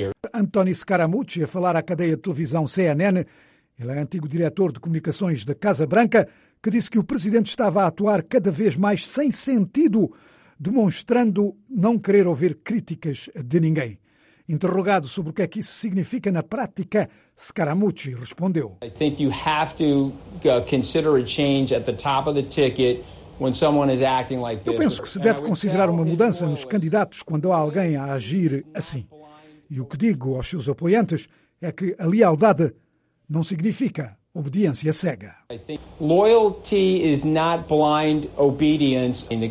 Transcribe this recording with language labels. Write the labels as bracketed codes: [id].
[pt] Anthony Scaramucci, a falar à cadeia de televisão CNN, ele é antigo diretor de comunicações da Casa Branca, que disse que o presidente estava a atuar cada vez mais sem sentido, demonstrando não querer ouvir críticas de ninguém. Interrogado sobre o que é que isso significa na prática, Scaramucci respondeu: [en] I think you have to consider a change at the top of the ticket when someone is acting like this. [pt] Eu penso que se deve considerar uma mudança nos candidatos quando há alguém a agir assim. E o que digo aos seus apoiantes é que a lealdade não significa obediência cega. [en] Loyalty is not blind obedience.